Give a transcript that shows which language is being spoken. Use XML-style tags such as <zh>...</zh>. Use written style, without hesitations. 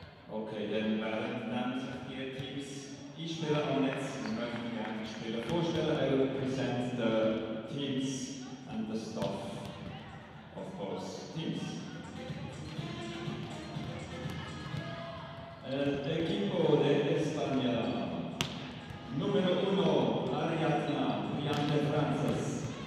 <de>Okay, dann werden sich die Teams einstellen am Netz und möchten gerne die Spieler vorstellen.</de> <en>I represent the Teams and the Staff of both Teams.</en> <es>El equipo de España, número uno, Ariadna Brillante Frances.</es>